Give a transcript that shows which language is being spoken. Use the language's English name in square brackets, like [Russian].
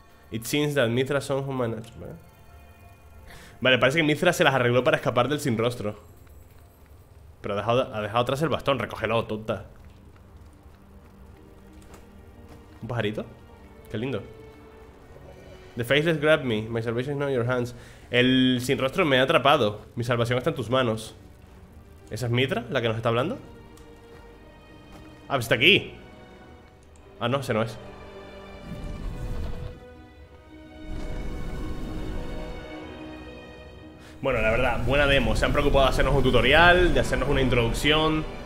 [English] It seems that Mithra somehow managed. [Spanish] Vale, parece que Mithra se las arregló para escapar del sin rostro. Pero ha dejado atrás el bastón. Recógelo, tonta. ¿Un pajarito? Qué lindo. [English] The faceless grabbed me. My salvation is not in your hands. [Spanish] El sin rostro me ha atrapado. Mi salvación está en tus manos. ¿Esa es Mithra, la que nos está hablando? Ah, pues está aquí. Ah, no, ese no es. Bueno, la verdad, buena demo. Se han preocupado de hacernos un tutorial, de hacernos una introducción.